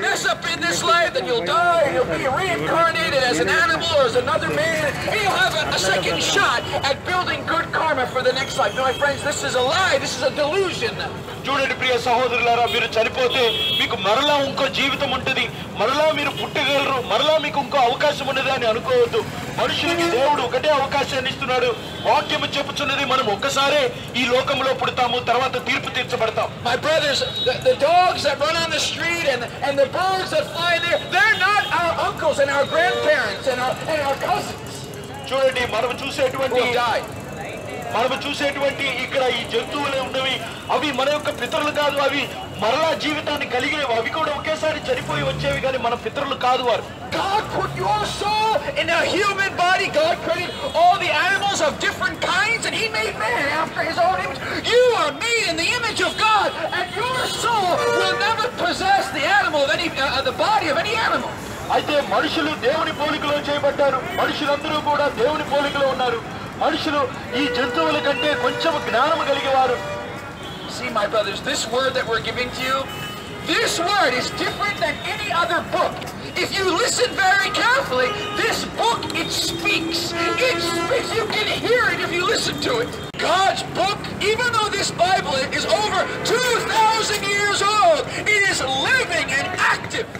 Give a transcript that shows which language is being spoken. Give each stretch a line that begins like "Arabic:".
English: Up in this life then you'll die, you'll be reincarnated as an animal or as another man, you'll have a second shot at building good karma for the next life. My friends, this is a lie, this is a delusion.
Telugu: చూడండి ప్రియ సహోదరులారా, మీరు చనిపోతే మీకు మరలా ఇంకో జీవితం ఉంటుంది, మరలా మీరు పుట్టగలరు, మరలా మీకు ఇంకో అవకాశం ఉన్నది అని అనుకోవద్దు. మనుషులకి దేవుడు ఒకటే అవకాశాన్ని ఇస్తున్నాడు. వాక్యము చెప్పుచున్నది, మనం ఒక్కసారే ఈ లోకంలో పుడతాము, తర్వాత తీర్పు తీర్చబడతాం.
English: My brothers, the dogs that run on the street and the birds that fly there, they're not our uncles and our grandparents and our cousins.
Telugu: చూడండి, మనం చూసేటువంటి మనము చూసేటువంటి ఇక్కడ ఈ జంతువులే ఉన్నవి, అవి మన యొక్క పితరులు కాదు, అవి మరలా జీవితాన్ని కలిగే, అవి కూడా ఒకేసారి చనిపోయి వచ్చేవి కానీ మన పితరులు కాదు వారు.
English: God put your soul in a human body. God created all the animals of different kinds and he made man after his own image. You are me in the image of God and your soul will never possess the animal of any the body of any animal.
Telugu: అయితే మనుషులు దేవుని పోలికలో చేయబడ్డారు, మనుషులందరూ కూడా దేవుని పోలికలో ఉన్నారు. మనుషులు ఈ జంతువుల కంటే కొంచెం జ్ఞానం కలిగి వారు.
English: See my brothers, this word that we're giving to you, this word is different than any other book. If you listen very carefully, this book, it speaks. It speaks. You can hear it if you listen to it. God's book, even though this Bible is over 2,000 years old, it is living and active.